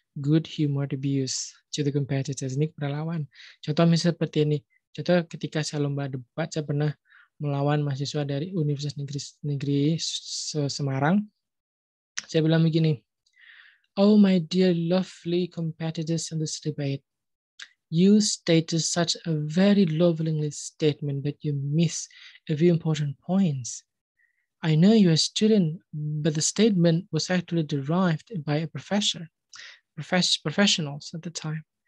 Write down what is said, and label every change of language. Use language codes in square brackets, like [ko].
[en] Good humor to be used to the competitors. [id] Ini kepada lawan. Contoh misalnya seperti ini. Contoh ketika saya lomba debat, saya pernah melawan mahasiswa dari Universitas Negeri Semarang. Saya bilang begini. [en] Oh my dear lovely competitors in this debate. You stated such a very lovely statement, but you miss a few important points. I know you're a student, but the statement was actually derived by a professor, professionals at the time.